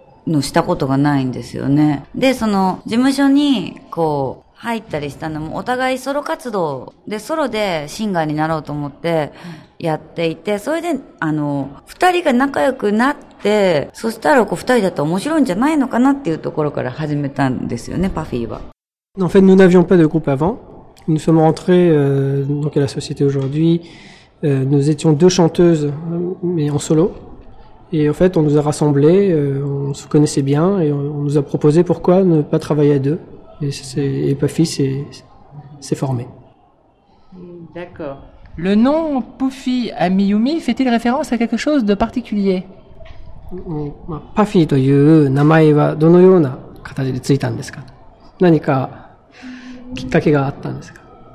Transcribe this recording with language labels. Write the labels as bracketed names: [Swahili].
[Japanese] のしたことがないんですよね。で、その事務所にこう入ったりしたのもお互いソロ活動でソロでシンガーになろうと思ってやっていて、それで二人が仲良くなって、そしたらこう二人だと面白いんじゃないのかなっていうところから始めたんですよね、パフィーは。 [French] En fait, nous n'avions pas de groupe avant. Nous sommes entrés donc à la société aujourd'hui. Nous étions deux chanteuses, mais en solo. Et en fait, on nous a rassemblés, on se connaissait bien, et on nous a proposé pourquoi ne pas travailler à deux. Et Puffy s'est formé. D'accord. Le nom Puffy AmiYumi fait-il référence à quelque chose de particulier ? [Japanese] Puffy という名前はどのような形でついたんですか ? 何かきっかけがあったんですか ?